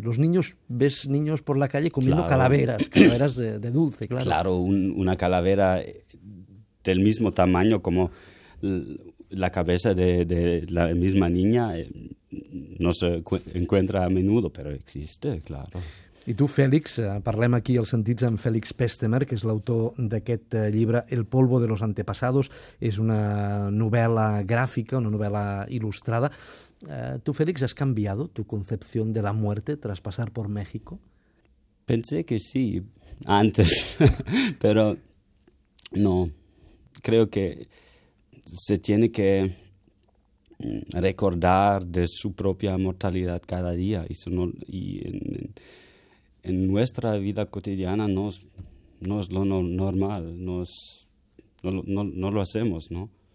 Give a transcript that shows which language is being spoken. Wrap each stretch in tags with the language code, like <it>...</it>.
<es>Los niños, ves niños por la calle comiendo, claro, calaveras de dulce, claro. Claro, una calavera del mismo tamaño como la cabeza de la misma niña no se encuentra a menudo, pero existe, claro.</es> <ca>I tu, Fèlix, parlem aquí els sentits amb Fèlix Pestemer, que és l'autor d'aquest llibre El polvo de los antepasados. És una novel·la gràfica, una novel·la il·lustrada.</ca> <es>Tu, Fèlix, has canviado tu concepció de la muerte tras pasar por México? Pensé que sí, antes, però no. Creo que se tiene que recordar de su propia mortalidad cada día. Y en nuestra vida cotidiana no es lo normal, no lo hacemos, ¿no?</es>